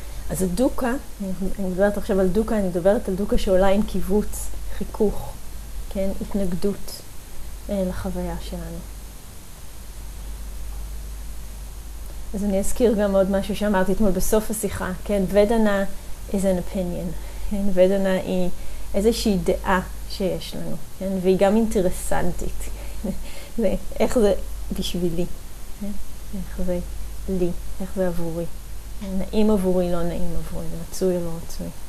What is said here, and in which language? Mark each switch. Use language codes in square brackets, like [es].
[he] אז הדוקה, אני מדברת עכשיו על דוקה, אני מדברת על דוקה שעולה עם קיבוץ, חיכוך, כן? התנגדות לחוויה שלנו. אז אני אזכיר גם עוד משהו שאמרתי אתמול בסוף השיחה, כן? ודאנה [en] is an opinion, [he] כן? ודאנה היא איזושהי דעה שיש לנו, כן? והיא גם אינטרסנטית. זה, איך זה בשבילי? כן? איך זה לי? איך זה עבורי? נעים עבורי, לא נעים עבורי, מצוי, לא מצוי.